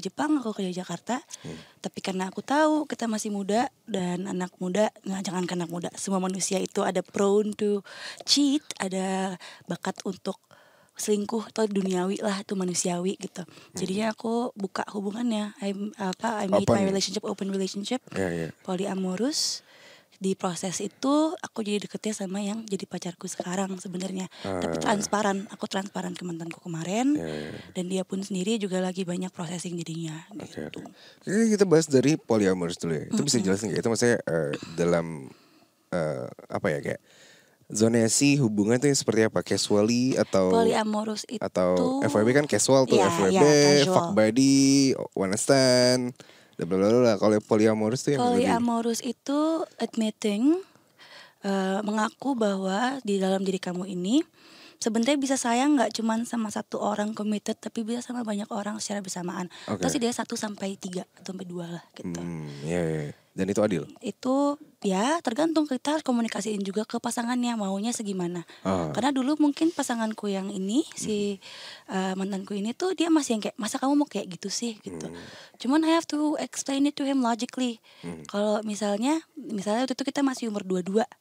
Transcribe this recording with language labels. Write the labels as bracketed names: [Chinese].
[Indonesian] Kerja di Jepang, aku kerja di Jakarta. Hmm. Tapi karena aku tahu kita masih muda dan anak muda, enggak jangan kan anak muda. Semua manusia itu ada [English] prone to cheat, [Indonesian] ada bakat untuk selingkuh atau duniawi lah, itu manusiawi gitu. Jadinya aku buka hubungannya. [English] I made open. My relationship open relationship. Yeah, yeah. Polyamorous. [Indonesian] Di proses itu aku jadi deketnya sama yang jadi pacarku sekarang sebenarnya. Tapi transparan, aku transparan ke mantanku kemarin. [English] Yeah, yeah. [Indonesian] Dan dia pun sendiri juga lagi banyak processing jadinya. Oke. Okay, gitu. Okay. Kita bahas dari polyamorous dulu ya. Itu bisa jelasin gak? Itu maksudnya dalam apa ya kayak zonasi hubungan itu seperti apa? Casually atau polyamorous itu [English] atau FWB kan casual tuh, yeah, FWB, yeah, fuck buddy, one stand. [Indonesian] Kalau polyamorous itu yang polyamorous lebih... itu admitting mengaku bahwa di dalam diri kamu ini sebenarnya bisa sayang gak cuman sama satu orang committed, tapi bisa sama banyak orang secara bersamaan. Okay. Terus dia 1-3 atau 2 lah gitu. Dan itu adil? Itu ya tergantung, kita harus komunikasiin juga ke pasangannya maunya segimana. Karena dulu mungkin pasanganku yang ini, si mantanku ini tuh dia masih yang kayak, masa kamu mau kayak gitu sih gitu. [English] Cuman I have to explain it to him logically. [Indonesian] Kalau misalnya waktu itu kita masih umur 22.